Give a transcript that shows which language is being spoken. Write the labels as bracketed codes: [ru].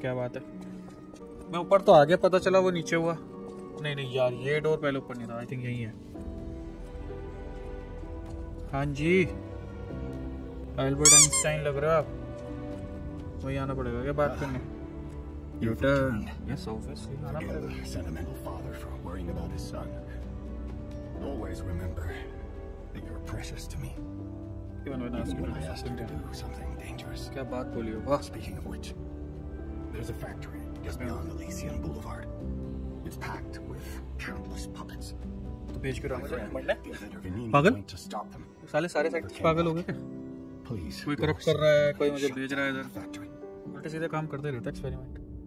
[hi] क्या बात है, मैं ऊपर तो आ गया, पता चला वो नीचे हुआ। नहीं नहीं यार ये डोर पहले ऊपर नहीं था, [en] I think [hi] यही है। हाँ जी अल्बर्ट आइंस्टाइन लग रहा है आप, वही आना पड़ेगा क्या बात करने? [en] Your turn. Yes, obviously. I'm a sentimental father for worrying about his son. Always remember that you're precious to me. Even when I ask him to do something dangerous. [hi] क्या बात बोली हो? [en] Speaking of which, there's a factory just beyond Elysian Boulevard. It's packed with countless puppets. [hi] तो भेज क्यों रहा मुझे? मरने? पागल? साले सारे सेक्टर पागल हो गए क्या? [en] Please. [hi] कोई करप्ट कर रहा है, कोई मुझे भेज रहा है इधर। [en] Factory. [hi] उल्टे सीधे काम करते रहता एक्सपेरिमेंट।